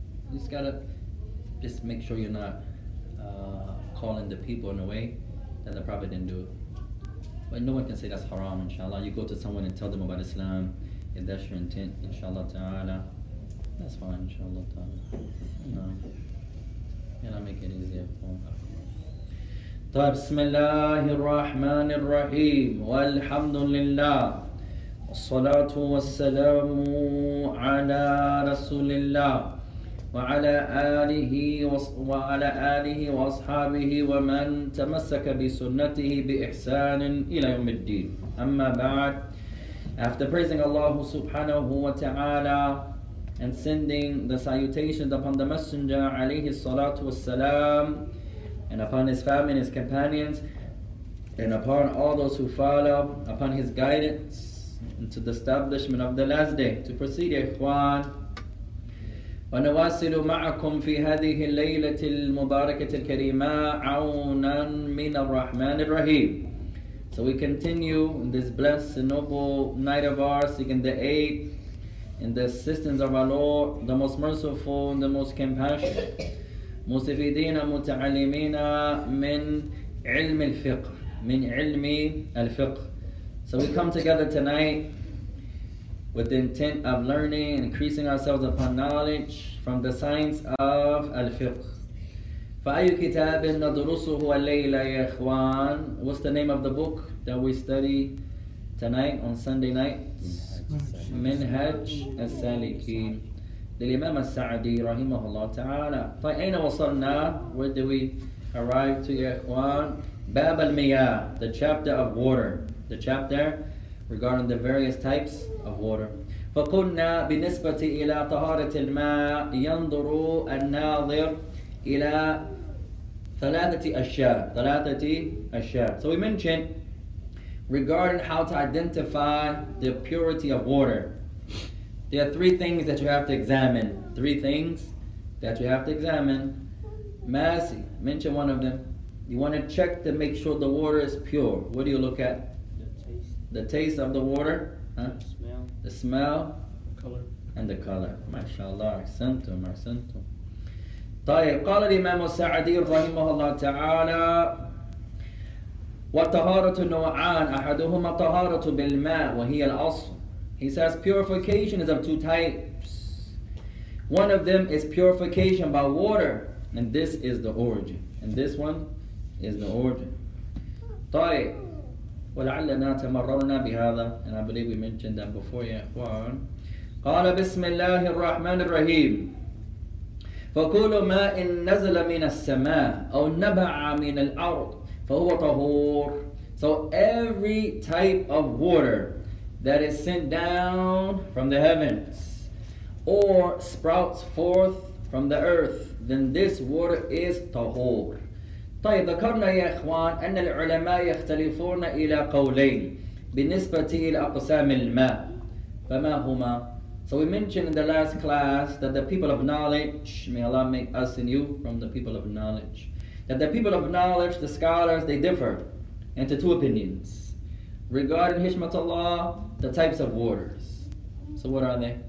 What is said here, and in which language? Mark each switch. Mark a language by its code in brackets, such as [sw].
[en] You just gotta just make sure you're not calling the people in a way that the Prophet didn't do. But no one can say that's haram, inshallah. You go to someone and tell them about Islam, if that's your intent, inshallah ta'ala, that's fine, inshallah ta'ala. You know, and I make it easier for them. [ar] طيب بسم الله الرحمن الرحيم والحمد لله والصلاة والسلام على رسول الله وعلى آله وأصحابه ومن تمسك بسنته بإحسان إلى يوم الدين أما بعد. [en] After praising Allah subhanahu wa ta'ala and sending the salutations upon the Messenger [ar] عليه الصلاة والسلام [en] and upon his family and his companions, and upon all those who follow, upon his guidance into the establishment of the last day. To proceed, ikhwan. [ar] ونواصل معكم في هذه الليلة المباركة الكريمة عونا من الرحمن الرحيم. [en] So we continue in this blessed and noble night of ours, seeking the aid and the assistance of our Lord, the most merciful and the most compassionate. [ar] مستفيدين متعلمين من علم الفقه من علم الفقه. [en] So we come together tonight with the intent of learning and increasing ourselves upon knowledge from the science of الفقه. [ar] فأي كتاب ندرسه الليلة يا إخوان. [en] What's the name of the book that we study tonight on Sunday night? [ar] Minhaaj Al-Saalikeen. للإمام السعدي رحمه الله تعالى. طيب أين وصلنا؟ [en] Where did we arrive to, [ar] يا إخوان؟ باب المياه, [en] the chapter of water, the chapter regarding the various types of water. [ar] فقلنا بالنسبة إلى طهارة الماء ينظر الناظر إلى ثلاثة أشياء. ثلاثة أشياء. [en] So we mentioned regarding how to identify the purity of water. There are three things that you have to examine. Masi mentioned one of them. You want to check to make sure the water is pure. What do you look at? The taste of the water. The smell. The color. MashaAllah. Arsantum. [ar] طيب قال الإمام السعدي رحمه الله تعالى وطهارة نوعان أحدهما طهارة بالماء وهي الأصل. [en] He says purification is of two types. One of them is purification by water, and this is the origin. And this one is the origin. [ar] طيب ولعلنا تمررنا بهذا. [en] And I believe we mentioned that before. [ar] يا إخوان. قال بسم الله الرحمن الرحيم فكل ماء نزل من السماء أو نبع من الأرض فهو طهور. [en] So every type of water that is sent down from the heavens or sprouts forth from the earth, then this water is طهور. [ar] طيب ذكرنا يا إخوان أن العلماء يختلفون إلى قولين بالنسبة إلى أقسام الماء فما هما. [en] So we mentioned in the last class that the people of knowledge, may Allah make us and you from the people of knowledge, that the people of knowledge, the scholars, they differ into two opinions regarding Hishmatullah, the types of waters. So what are they?